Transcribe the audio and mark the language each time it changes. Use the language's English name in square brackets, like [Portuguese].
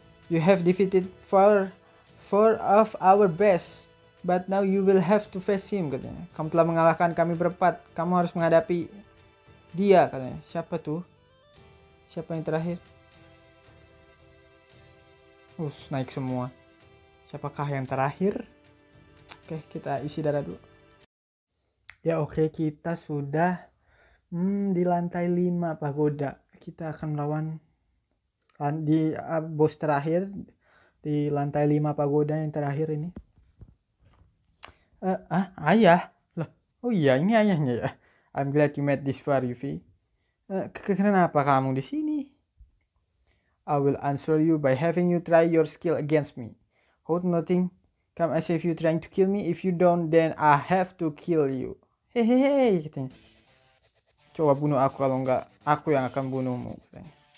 [English] You have defeated four of our best, but now you will have to face him, [Indonesian] katanya. Kamu telah mengalahkan kami berempat, kamu harus menghadapi dia, katanya. Siapa tuh? Siapa yang terakhir? Naik semua. Siapakah yang terakhir? Oke, kita isi darah dulu. Ya oke, kita sudah di lantai 5 pagoda. Kita akan melawan di bos terakhir. Di lantai 5 pagoda yang terakhir ini. Ayah? Loh, oh iya, ini ayahnya ya. [English] I'm glad you made this far, Yuffie. [Indonesian] Kenapa kamu di sini? [English] I will answer you by having you try your skill against me. Hold nothing. Come as if you trying to kill me. If you don't, then I have to kill you. [Indonesian] Hehehe, katanya. Coba bunuh aku, kalau enggak, aku yang akan bunuhmu, katanya.